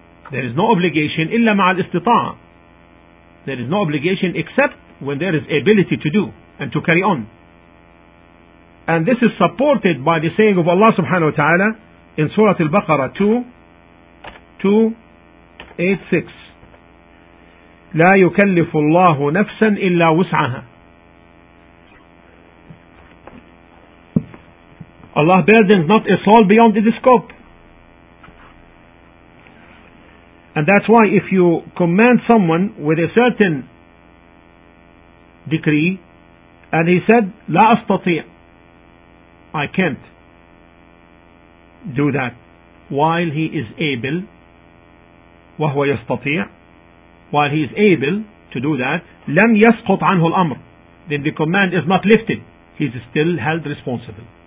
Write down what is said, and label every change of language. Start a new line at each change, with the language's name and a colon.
English: There is no obligation
Arabic: إلا مع الاستطاع.
English: There is no obligation except when there is ability to do and to carry on. And this is supported by the saying of Allah subhanahu wa ta'ala in Surah Al-Baqarah 2:286.
Arabic: لا يكلف الله نفسا إلا وسعها.
English: Allah burdens not a soul beyond its scope. And that's why if you command someone with a certain decree and he said
Arabic: لا أستطيع,
English: I can't do that, while he is able,
Arabic: وهو يستطيع,
English: while he is able to do that,
Arabic: لم يسقط عنه الأمر,
English: then the command is not lifted, he is still held responsible.